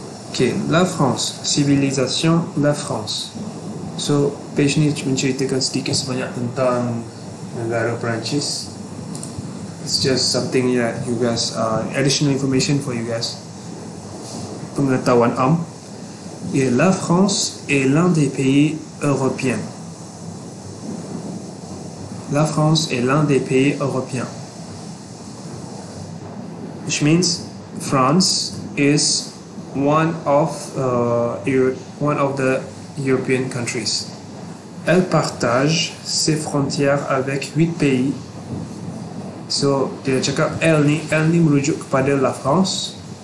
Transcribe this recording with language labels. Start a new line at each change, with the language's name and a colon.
French: Okay, La France, civilisation La France.
Malay: So, page ni menceritakan sedikit sebanyak tentang negara Perancis.
English: It's just something that you guys, additional information for you guys.
Malay: Pengetahuan am.
French: Yeah, La France est l'un des pays européens. La France est l'un des pays européens.
English: Which means, France is one of the European countries.
French: Elle partage ses frontières avec 8 pays.
Malay: So, dia cakap elle ni merujuk kepada la France.